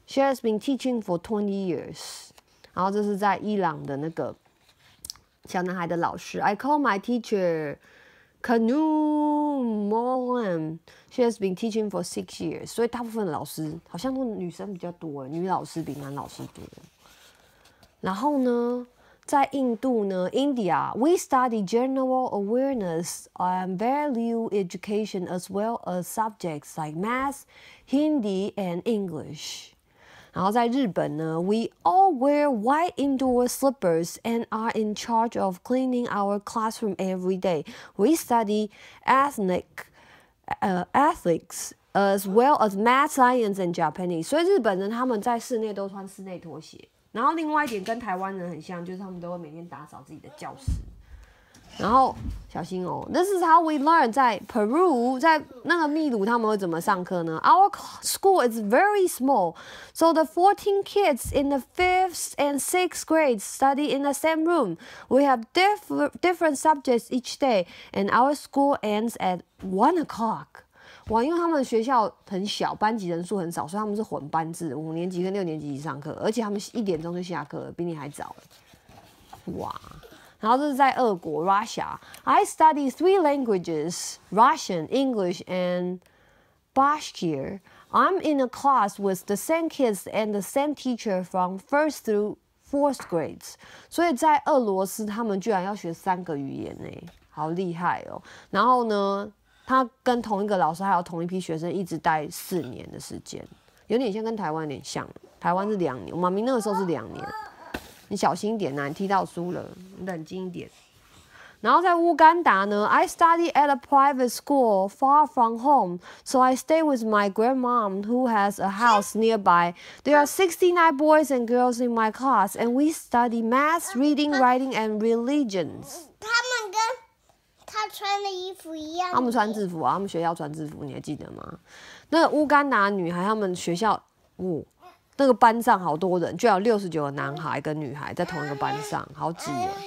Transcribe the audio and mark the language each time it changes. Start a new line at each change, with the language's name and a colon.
English: She has been teaching for 20 years.
Chinese: 然后这是在伊朗的那个小男孩的老师。
English: I call my teacher Kanu Molam. She has been teaching for 6 years.
Chinese: 所以大部分的老师好像都女生比较多，女老师比男老师多。然后呢，在印度呢
English: ，India, we study general awareness and value education as well as subjects like math, Hindi, and English.
Chinese: 然后在日本呢
English: ，we all wear white indoor slippers and are in charge of cleaning our classroom every day. We study ethics as well as math, science, and Japanese.
Chinese: 所以日本人他们在室内都穿室内拖鞋。然后另外一点跟台湾人很像，就是他们都会每天打扫自己的教室。然后小心哦
English: ，This is how we learn
Chinese: 在 Peru 在那个秘鲁他们会怎么上课呢
English: ？Our school is very small, so the 14 kids in the 5th and 6th grades study in the same room. We have different subjects each day, and our school ends at 1 o'clock.
Chinese: 哇，因为他们学校很小，班级人数很少，所以他们是混班制，五年级跟六年级一起上课，而且他们一点钟就下课了，比你还早。哇！然后这是在俄国 ，Russia.
English: I study three languages: Russian, English, and Bashkir. I'm in a class with the same kids and the same teacher from first through fourth grades.
Chinese: 所以在俄罗斯，他们居然要学三个语言呢，好厉害哦！然后呢，他跟同一个老师还有同一批学生一直待四年的时间，有点像跟台湾有点像。台湾是两年，我妈咪那个时候是两年。你小心一点啊，你踢到书了，你冷静一点。然后在乌干达呢
English: ，I study at a private school far from home, so I stay with my grandmom who has a house nearby. There are 69 boys and girls in my class, and we study math, reading, writing, and religions.
Chinese: 他们跟他穿的衣服一样。他们穿制服啊，他们学校穿制服，你还记得吗？那个乌干达女孩，他们学校，哦那个班上好多人，居然有69个男孩跟女孩在同一个班上，好挤哦！